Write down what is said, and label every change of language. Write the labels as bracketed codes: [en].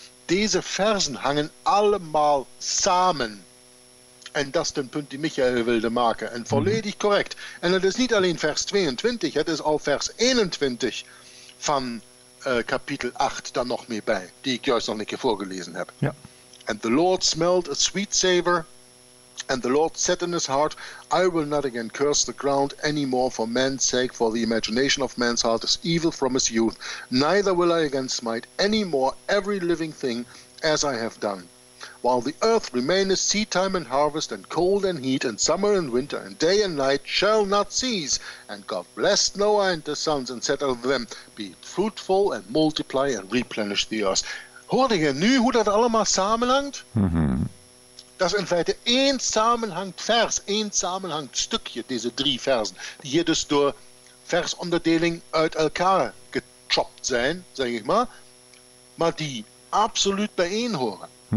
[nl] Deze versen hangen allemaal samen. En dat is de punt die Michael wilde maken. En volledig correct. En het is niet alleen vers 22, het is al vers 21 van kapitel 8 dan nog mee bij. Die ik juist nog een keer voorgelezen heb. Ja. [en] And the Lord smelled a sweet savor. And the Lord said in his heart, I will not again curse the ground any more for man's sake, for the imagination of man's heart is evil from his youth. Neither will I again smite any more every living thing as I have done. While the earth remaineth, seed time and harvest, and cold and heat, and summer and winter, and day and night shall not cease. And God blessed Noah and his sons, and said unto them, be fruitful, and multiply, and replenish the earth. [nl] Hoorde je nu hoe dat allemaal samenhangt? Dat is in feite één samenhangend vers, één samenhangend stukje, deze drie versen, die hier dus door versonderdeling uit elkaar gechopt zijn, zeg ik maar die absoluut bijeen horen.